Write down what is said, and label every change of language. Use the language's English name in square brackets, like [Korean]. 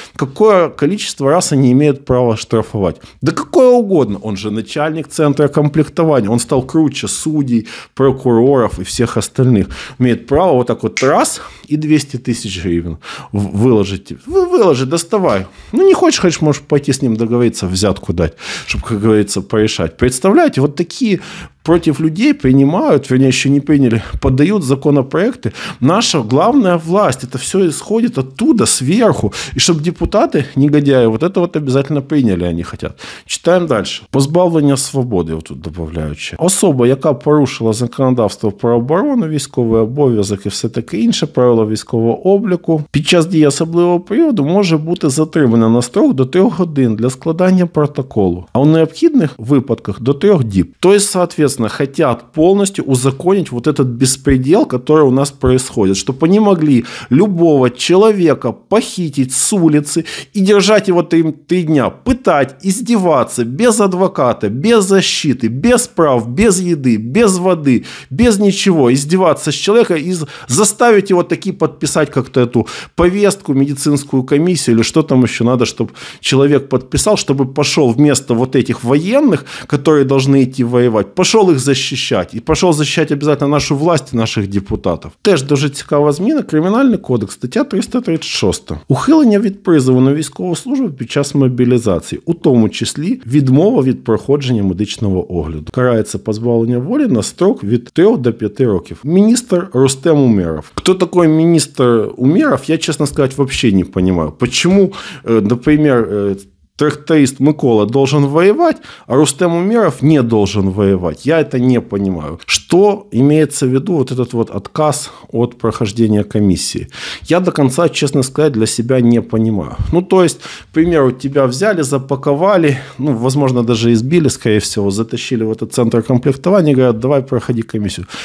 [Russian] Какое количество раз они имеют право штрафовать? Да какое угодно, он же начальник центра комплектования, он стал круче судей, прокуроров и всех остальных, имеет право вот так вот раз и 200 тысяч гривен выложить, выложи, доставай, ну не хочешь, хочешь, можешь пойти с ним договориться, взятку дать, чтобы, как говорится, порешать, представляете, вот такие против людей принимают, вернее, еще не приняли, подают законопроекты. Наша главная власть, это все исходит оттуда, сверху. И чтобы депутаты, негодяи, вот это вот обязательно приняли, они хотят. Читаем дальше. Позбавление свободы, вот тут добавляючи. [Ukrainian] Особа, яка порушила законодавство про оборону, військовий обов'язок и все таке інше, правила військового обліку, під час дії особливого періоду може бути затримана на строк до 3 годин для складання протоколу. А у необхідних випадках до 3 діб. [Russian] То есть, соответственно, хотят полностью узаконить вот этот беспредел, который у нас происходит, чтобы они могли любого человека похитить с улицы и держать его 3 дня, пытать, издеваться без адвоката, без защиты, без прав, без еды, без воды, без ничего, издеваться с человека и заставить его таки подписать как-то эту повестку, медицинскую комиссию или что там еще надо, чтобы человек подписал, чтобы пошел вместо вот этих военных, которые должны идти воевать, пошел их защищать. И пошел защищать обязательно нашу власть и наших депутатов. [Ukrainian] Теж дуже цікава зміна. Кримінальний кодекс, стаття 336. Ухилення від призову на військову службу під час мобілізації, у тому числі відмова від проходження медичного огляду. Карається позбавлення волі на строк від 3 до 5 років. Міністр Рустем Умєров. Хто такой міністр Умєров, я, чесно сказати, взагалі не розумію. Чому, наприклад, [Russian] тракторист Микола должен воевать, а Рустем Умеров не должен воевать. Я это не понимаю. Что имеется в виду вот этот вот отказ от прохождения комиссии? Я до конца, честно сказать, для себя не понимаю. Ну, то есть, к примеру, тебя взяли, запаковали, ну, возможно, даже избили, скорее всего, затащили в этот центр комплектования и говорят, давай проходи комиссию.